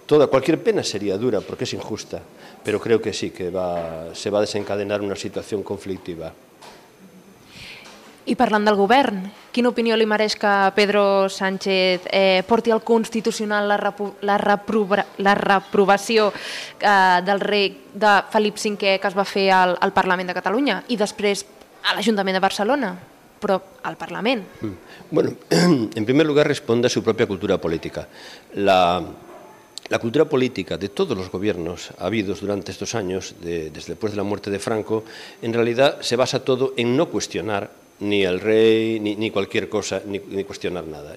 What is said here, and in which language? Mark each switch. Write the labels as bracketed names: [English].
[Spanish] Cualquier pena sería dura porque es injusta, pero creo que sí, que se va a desencadenar una situación conflictiva. [Catalan] I parlant del govern, quina opinió li mereix que Pedro Sánchez porti al Constitucional la reprovació del rei de Felip V que es va fer al Parlament de Catalunya i després a l'Ajuntament de Barcelona, però al Parlament? [Spanish] Bueno, en primer lugar responde a su propia cultura política. La cultura política de todos los gobiernos habidos durante estos años, desde después de la muerte de Franco, en realidad se basa todo en no cuestionar ni al rey, ni cualquier cosa, ni cuestionar nada.